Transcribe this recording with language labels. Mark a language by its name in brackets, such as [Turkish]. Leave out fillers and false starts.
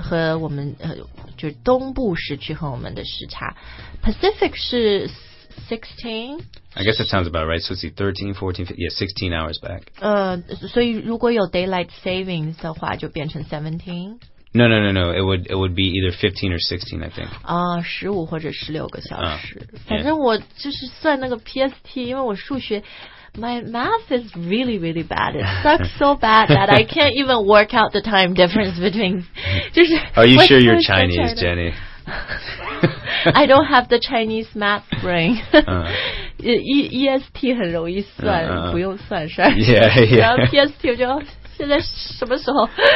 [Chinese] 和我们、就是东部时区和我们的时差。 Pacific 是16? [English] I guess that sounds about right. So it's 13, 14, 15, yeah, 16 hours back. [Chinese] 所以如果有 daylight savings 的话就变成 17? [English] No. It would be either 15 or 16, I think. [Chinese] 15或者16个小时。反正我就是算那个 PST, 因为我数学 [English] my math is really, really bad. It sucks so bad that I can't even work out the time difference between... [Chinese] 就是 [English] Are you sure you're Chinese, Jenny? I don't have the Chinese math brain. [Chinese] EST 很容易算，不用算是吧？ [English] Yeah. [Chinese] 然后 PST 我就现在什么时候？